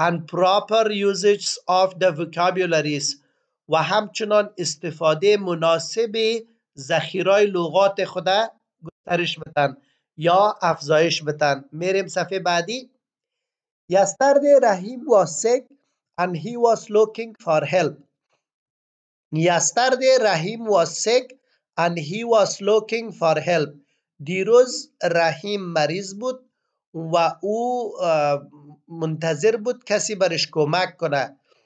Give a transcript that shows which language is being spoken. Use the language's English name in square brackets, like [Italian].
[English] And proper usage of the vocabularies [Persian] و همچنان استفاده مناسب ذخیره‌های لغات خود گسترش بدن یا افزایش بدن. میریم صفحه بعدی. [English] Yesterday Rahim was sick and he was looking for help. Yesterday Rahim was sick and he was looking for help. [Persian] دیروز رحیم مریض بود و او منتظر بود کسی برش کمک کنه.